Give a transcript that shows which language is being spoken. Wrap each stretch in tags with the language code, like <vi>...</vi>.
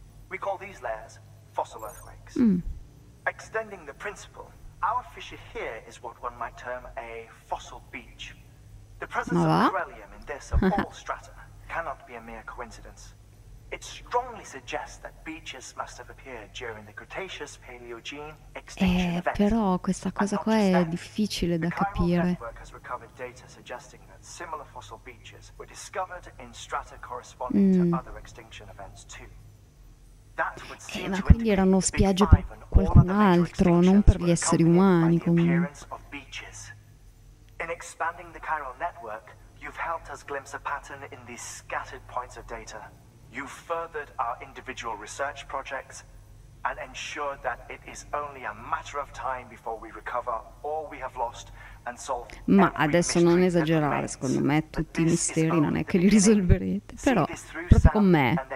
<en>We call these layers fossil earthquakes. Extending the principle, our fissure here is what one might term a fossil beach. The presence of corallium in this of all strata cannot be a mere coincidence. It strongly suggests that beaches must have appeared during the Cretaceous Paleogene extinction event.</en> <it>Però questa cosa qua è difficile da capire.</it> <en>Data suggesting that similar fossil beaches were discovered in strata corresponding to other extinction events too.</en> <it>Ma quindi erano spiagge per qualcun altro, non per gli esseri umani comunque.</it> <en>In expanding the chiral network, you've helped us glimpse a pattern in these scattered points of data. You furthered our individual research projects and ensured that it is only a matter of time before we recover all we have lost and solve.</en> <it>Ma adesso non esagerare, secondo me tutti i misteri non è che li risolverete, però proprio con me.</it>